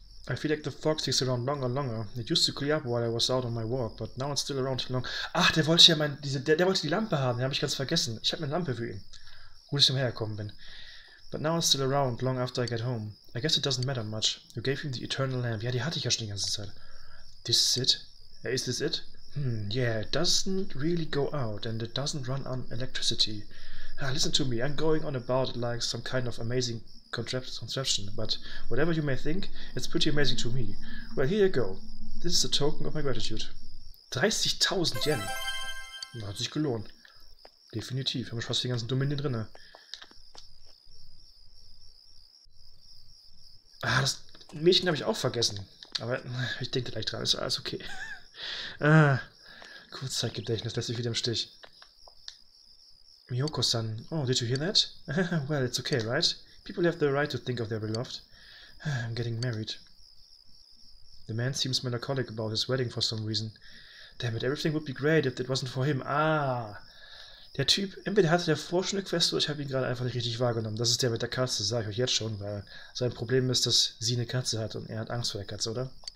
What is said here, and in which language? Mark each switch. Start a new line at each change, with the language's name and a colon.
English: I feel like the fog sticks around longer and longer. It used to clear up while I was out on my walk, but now it's still around long.
German: Ach, der wollte ja mein. Der wollte die Lampe haben, den habe ich ganz vergessen. Ich habe eine Lampe für ihn. Wo ich hergekommen bin.
English: But now it's still around long after I get home. I guess it doesn't matter much. You gave him the eternal lamp.
German: Ja, die hatte ich ja schon die ganze Zeit.
English: This is it? Is this it? Yeah, it doesn't really go out and it doesn't run on electricity. Ah, listen to me, I'm going on about it like some kind of amazing contraption, but whatever you may think, it's pretty amazing to me. Well, here you go. This is a token of my gratitude. 30.000 Yen.
German: Hat sich gelohnt. Definitiv. Haben wir fast die ganzen Dominien drin. Ah, das Mädchen habe ich auch vergessen. Aber ich denke gleich dran. Ist alles okay. Ah, Kurzzeitgedächtnis lässt sich wieder im Stich.
English: Miyoko-san. Oh, did you hear that? Well, it's okay, right? People have the right to think of their beloved. I'm getting married. The man seems melancholic about his wedding for some reason. Damn it, everything would be great if it wasn't for him.
German: Ah, der Typ, entweder hatte der vorher schon eine Quest oder ich habe ihn gerade einfach nicht richtig wahrgenommen. Das ist der mit der Katze, sage ich euch jetzt schon, weil sein Problem ist, dass sie eine Katze hat und er hat Angst vor der Katze, oder?